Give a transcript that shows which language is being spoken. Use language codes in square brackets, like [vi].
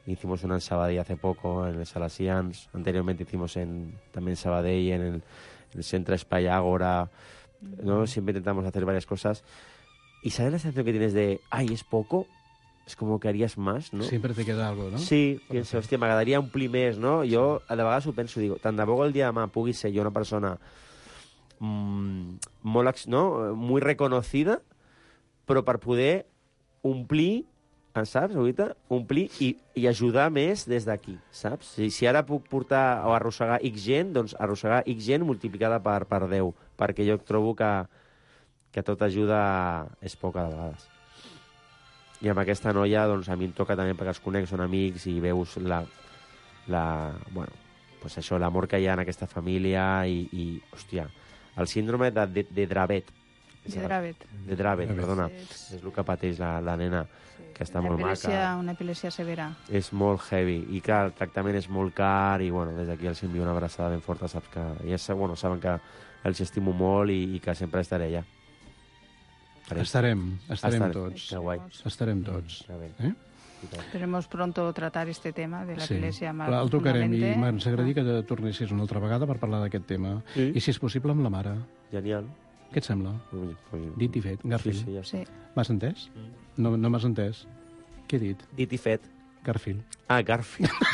[es] Hicimos una en Sabadell hace poco, en el Salesians, anteriormente hicimos también en Sabadell, en el Centro Espai Ágora, ¿no? Siempre intentamos hacer varias cosas ¿Y sabes la sensación que tienes de, ay, es poco? Es como que harías más, ¿no? Siempre te queda algo, ¿no? Sí, pienso, hòstia, [ca] m'agradaria un pli més, [es] ¿no? [ca] Jo, sí. De vegades ho penso, digo, tant de bo el dia de demà pugui ser jo una persona molt, no?, [es] muy reconocida, [ca] però per poder omplir, saps, ahorita? Omplir i ajudar més des d'aquí, saps? Si ara puc portar o arrossegar X gent, doncs arrossegar X gent multiplicada per 10, perquè jo trobo que tota ajuda és poca de vegades. I amb aquesta noia, doncs, a mi em toca també perquè els conec, són amics, i veus bueno, pues això, l'amor que hi ha en aquesta família i hòstia, el síndrome de Dravet. De Dravet. Perdona. És el que pateix la nena, sí, que està molt maca. Una epilèpsia severa. És molt heavy. I clar, el tractament és molt car i, bueno, des d'aquí els envio una abraçada ben forta, saps que... I és, bueno, saben que els estimo molt i que sempre estaré allà. Estarem tots. Que guai. Estarem tots. [es] Esperemos pronto tratar este tema de la epilèpsia. [ca] Sí, clar, el tocarem. I ens agradaria que tornessis una altra vegada per parlar d'aquest tema. Sí. I, si és possible, amb la mare. Genial. Què et sembla? Dit i fet, Garfield. Sí, ja sí. M'has entès? No, no m'has entès. Què he dit? Dit i fet. Garfield. Ah, Garfield.